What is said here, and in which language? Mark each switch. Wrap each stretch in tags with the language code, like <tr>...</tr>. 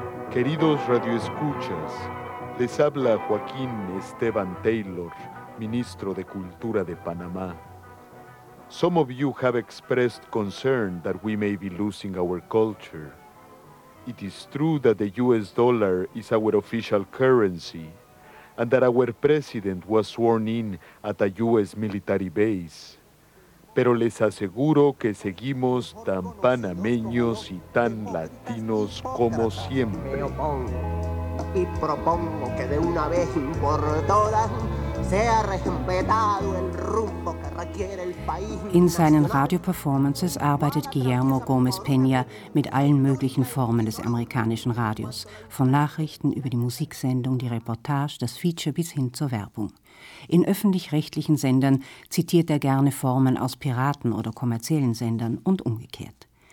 <es>Queridos radioescuchas, les habla Joaquín Esteban Taylor, ministro de Cultura de Panamá.</es> <en>Some of you have expressed concern that we may be losing our culture. It is true that the US dollar is our official currency and that our president was sworn in at a US military base.</en> <es>Pero les aseguro que seguimos tan panameños y tan latinos como siempre. Y propongo que de una vez por todas sea respetado el rumbo que requiere el país.</es> <de>In seinen Radio-Performances arbeitet Guillermo Gómez Peña mit allen möglichen Formen des amerikanischen Radios, von Nachrichten über die Musiksendung, die Reportage, das Feature bis hin zur Werbung. In öffentlich-rechtlichen Sendern zitiert er gerne Formen aus Piraten- oder kommerziellen Sendern und umgekehrt.</de>